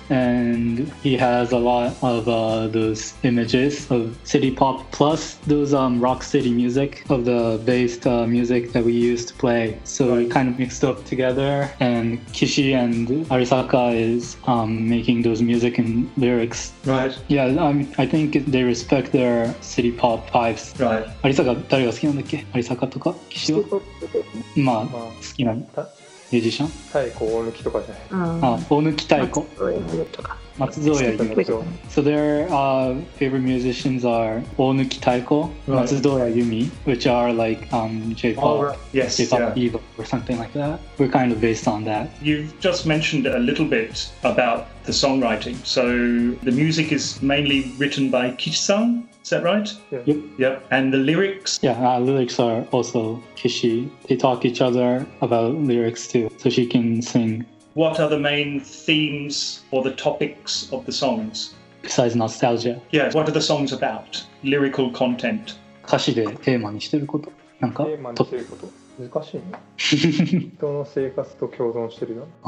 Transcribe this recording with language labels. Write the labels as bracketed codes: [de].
[en] And he has a lot of those images of city pop plus those rock city music of the based music that we used to play. So right. We kind of mixed up together, and Kishi and Arisaka is making those music and lyrics. Right. Yeah, I think they respect their city pop vibes. Right. [ja] Arisaka, 誰が好きなんだっけ? Arisaka とか?Kishi? まあ、好きなミュージシャン? 太鼓、大抜きとかじゃない。大抜き太鼓。Matsuzoya. [en] So their favorite musicians are Onuki Taiko, right. Matsuzoya Yumi, which are like J-pop, oh, right. Yes, J-pop, yeah. Evo or something like that. We're kind of based on that. You've just mentioned a little bit about the songwriting. So the music is mainly written by Kishi-san. Is that right? Yeah. Yep. And the lyrics? Yeah, lyrics are also Kishi. They talk each other about lyrics too, so she can sing. What are the main themes or the topics of the songs? Besides nostalgia. Yeah, what are the songs about? Lyrical content. [ja] 歌詞でテーマにしてること。なんか。テーマにしてること。難しいね。人の生活と共存してるよ。